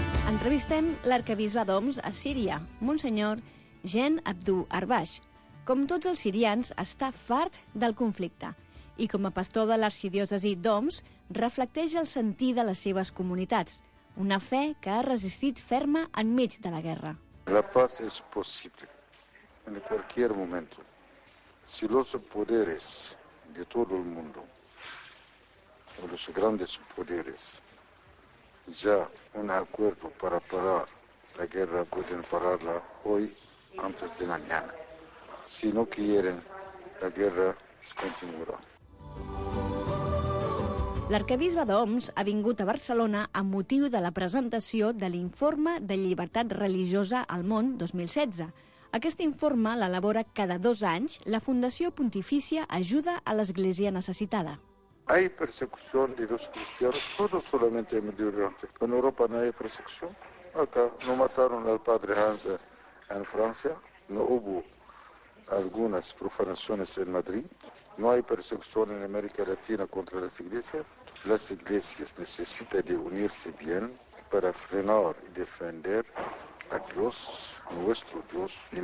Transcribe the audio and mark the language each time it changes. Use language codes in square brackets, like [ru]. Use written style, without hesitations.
[ca] Entrevistem l'arquebisbe d'Homs a Síria, Monsenyor Jean Abdou Arbash. Com tots els sirians, està fart del conflicte. I com a pastor de l'arxidiòcesi d'Homs, reflecteix el sentir de les seves comunitats, una fe que ha resistit ferma enmig de la guerra. [es] La paz es posible en cualquier momento. Si los poderes de todo el mundo, los grandes poderes, ya un acuerdo para parar la guerra, pueden pararla hoy antes de mañana. Si no quieren, la guerra continuará. [ca] L'arquebisbe d'Homs ha vingut a Barcelona amb motiu de la presentació de l'informe de llibertat religiosa al món 2016. Aquest informe l'elabora cada 2 anys la Fundació Pontifícia Ajuda a l'Església Necessitada. [es] Hay persecución de los cristianos, no solamente en Medio Oriente. En Europa no hay persecución. Acá no mataron al padre Hans en Francia. No hubo algunas profanaciones en Madrid. No hay persecución en América Latina contra las iglesias. Las iglesias necesitan de unirse bien para frenar y defender a Dios, nuestro Dios.